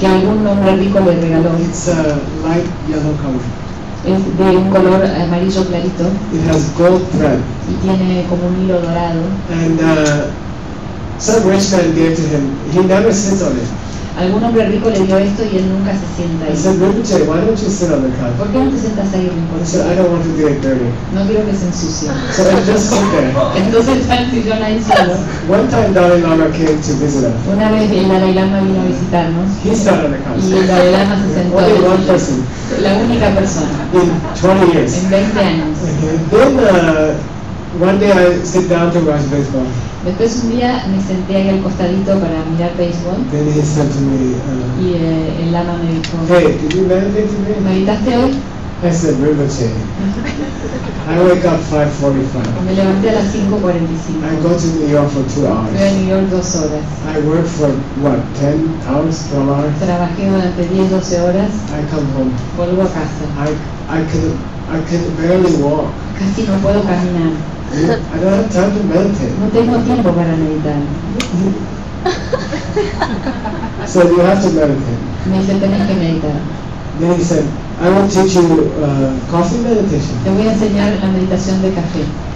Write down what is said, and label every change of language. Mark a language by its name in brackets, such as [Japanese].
[Spanish] Que algún hombre rico le regaló. [English] It's a light yellow color. [Spanish] Es de un color amarillo clarito. [English] It has gold thread. [Spanish] Y tiene como un hilo dorado. [English] And some rich man gave to him. He never sits on it. [Spanish] Algún hombre rico le dio esto y él nunca se sienta ahí. [English] I said, Rinpoche, why don't you sit on the couch? [Spanish] ¿Por qué no te sientas ahí, Rinpoche? [English] I said, I don't want to get dirty. [Spanish] No quiero que se ensucie. [English] So I just sit there. [Spanish] Entonces está en sillón ahí solo. [English] One time Dalai Lama came to visit us. [Spanish] Una vez el Dalai Lama vino a visitarnos. [English] He sat on the couch. [Spanish] Y el Dalai Lama se sentó ahí. [English] Only one person. [Spanish] La única persona. [English] In 20 years. [Spanish] En 20 años. [English] Then, one day I sit down to watch baseball. [Spanish] Después un día me senté ahí al costadito para mirar baseball. [English] Then he said to me, [Spanish] y el lama me dijo, [English] hey, did you meditate today? [Spanish] ¿Meditaste hoy? [English] I said, Rinpoche. I wake up 5:45. [Spanish] Me levanté a las 5:45. [English] I go to New York for 2 hours. [Spanish] Fui a New York 2 horas. [English] I work for what, 10 hours, 12 hours? [Spanish] Trabajé durante 10-12 horas. [English] I come home. [Spanish] Vuelvo a casa. [English] I can barely walk. [Spanish] Casi no puedo caminar. [English] I don't have time to meditate. [Spanish] No tengo tiempo para meditar. [English] So you have to meditate. [Spanish] Me dice, tenés que meditar. [English] Then he said, I will teach you coffee meditation. [Spanish] Te voy a enseñar la meditación de café.